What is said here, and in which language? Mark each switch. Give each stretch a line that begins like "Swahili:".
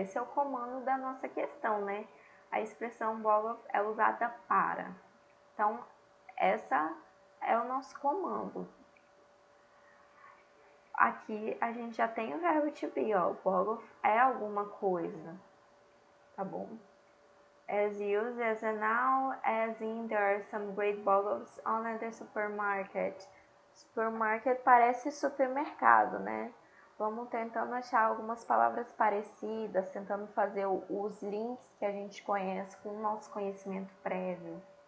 Portuguese: Esse é o comando da nossa questão, né? A expressão bola é usada para. Então, essa é o nosso comando. Aqui a gente já tem o verbo to be, ó. Bola é alguma coisa. Tá bom?
English: As used as a noun, as in there are some great bottles on the supermarket.
Portuguese: Supermarket parece supermercado, né? Vamos tentando achar algumas palavras parecidas, tentando fazer os links que a gente conhece com o nosso conhecimento prévio.